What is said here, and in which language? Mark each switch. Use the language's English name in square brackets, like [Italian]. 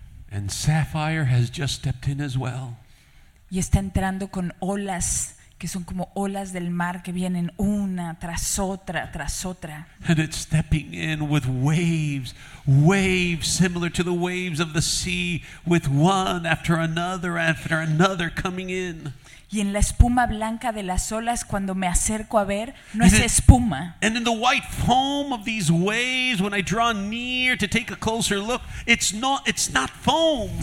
[English] And Sapphire has just stepped in as well. [Spanish] Y está entrando con olas que son como olas del mar que vienen una tras otra tras otra. [English] And it's stepping in with waves, waves similar to the waves of the sea, with one after another coming in. [Spanish] Y en la espuma blanca de las olas, cuando me acerco a ver, no es espuma. [English] And in the white foam of these waves, when I draw near to take a closer look, it's not foam.